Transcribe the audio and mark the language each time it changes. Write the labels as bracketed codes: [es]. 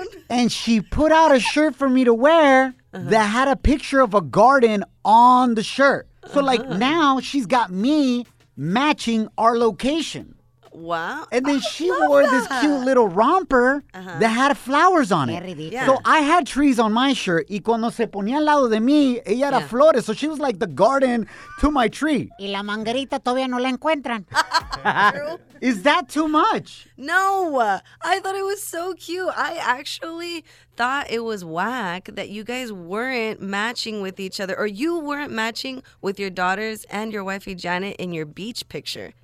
[en] And she put out a shirt for me to wear that had a picture of a garden on the shirt. So, like, now she's got me matching our location. Wow. And then she wore this cute little romper that had flowers on it. Yeah. So I had trees on my shirt. [es] Y cuando se ponía al lado de mí, ella era flores. [en] So she was like the garden to my tree. [es] Y la manguerita todavía no la encuentran. [en] Is that too much? No. I thought it was so cute. I actually thought it was whack that you guys weren't matching with each other. Or you weren't matching with your daughters and your wifey Janet in your beach picture.